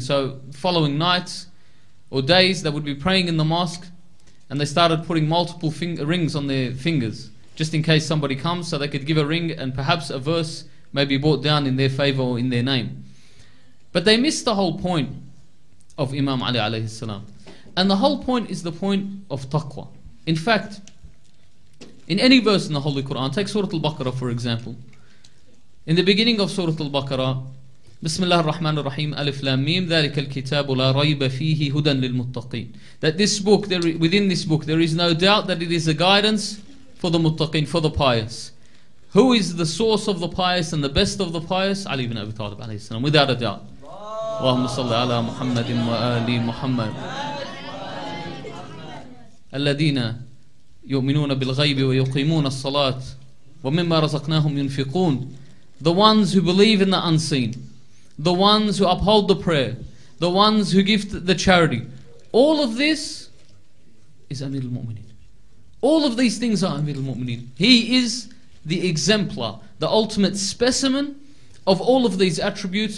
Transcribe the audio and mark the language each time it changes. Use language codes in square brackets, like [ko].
[en] So following nights or days, they would be praying in the mosque and they started putting multiple rings on their fingers just in case somebody comes, so they could give a ring and perhaps a verse may be brought down in their favor or in their name. But they missed the whole point of Imam Ali alayhi salam. And the whole point is the point of taqwa. In fact, in any verse in the Holy Quran, take Surah Al-Baqarah for example. In the beginning of Surah Al-Baqarah, [ar] بسم الله الرحمن الرحيم ألف لام ميم ذلك الكتاب لا ريب فيه هدى للمتقين. [en] That this book, within this book, there is no doubt that it is a guidance for the muttaqin, for the pious. Who is the source of the pious and the best of the pious? Ali ibn Abi Talib عليه السلام, without a doubt. [ar] اللهم صل على محمد وآل محمد الذين يؤمنون بالغيب ويقيمون الصلاة ومما رزقناهم ينفقون. [en] The ones who believe in the unseen, the ones who uphold the prayer, the ones who give the charity. All of this is Amir al-Mu'mineen. All of these things are Amir al-Mu'mineen. He is the exemplar, the ultimate specimen of all of these attributes.